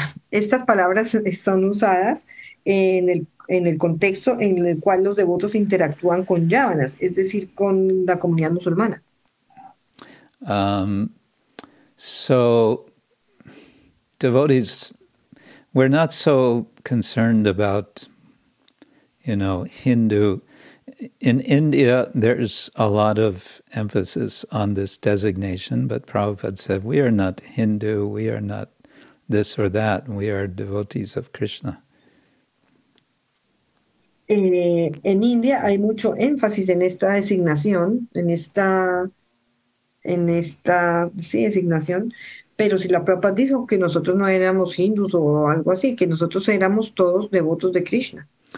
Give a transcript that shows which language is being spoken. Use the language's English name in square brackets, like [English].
[Spanish] Estas palabras son usadas en el contexto en el cual los devotos interactúan con yavanas, es decir, con la comunidad musulmana. [English] So devotees, we're not so concerned about, you know, Hindu. In India, there's a lot of emphasis on this designation, but Prabhupada said, we are not Hindu, we are not this or that, we are devotees of Krishna. [Spanish] En India hay mucho énfasis en esta designación, en esta designación, pero si la Prabhupada dijo que nosotros no éramos hindus o algo así, que nosotros éramos todos devotos de Krishna.